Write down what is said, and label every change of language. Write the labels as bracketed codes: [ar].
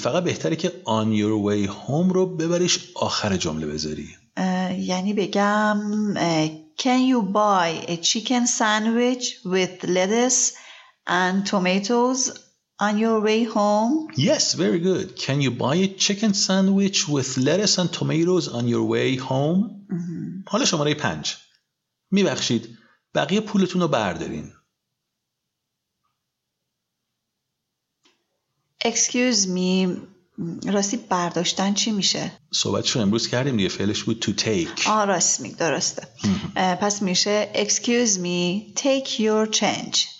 [fa] فقط بهتره که [en] on your way home [fa] رو ببریش آخر جمله بذاری. یعنی بگم [en] can you buy a chicken sandwich with lettuce and tomatoes on your way home? Yes, very good. Can you buy a chicken sandwich with lettuce and tomatoes on your way home? [fa] حالا شماره 5. میبخشید بقیه پولتون رو بردارین. [en] Excuse me. [fa] راستی برداشتن چی میشه؟ صحبتشو امروز کردیم دیگه فعلش بود [en] to take. [fa] آه راست میگه درسته. پس میشه [en] excuse me take your change.